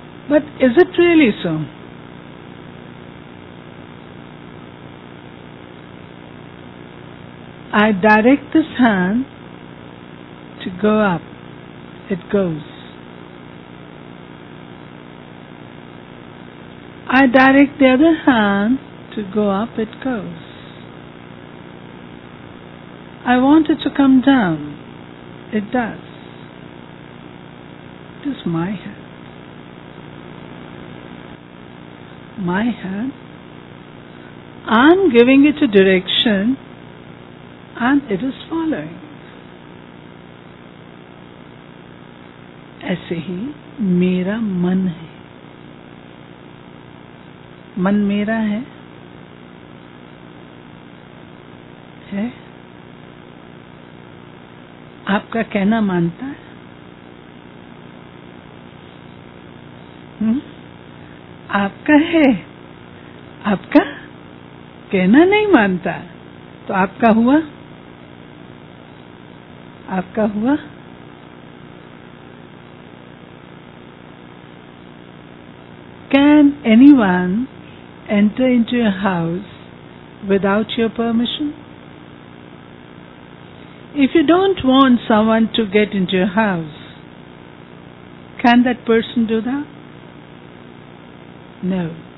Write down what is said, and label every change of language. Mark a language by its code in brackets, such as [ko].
[en] But is it really so? I direct this hand to go up, it goes. I direct the other hand to go up, it goes. I want it to come down, it does. It is my hand. My hand. I'm giving it a direction and it is following. [hi] ऐसे ही मेरा मन है। मन मेरा है, है? आपका कहना मानता है? आपका है, आपका कहना नहीं मानता, तो आपका हुआ, आपका हुआ। [en] Can anyone enter into your house without your permission? If you don't want someone to get into your house, can that person do that? No.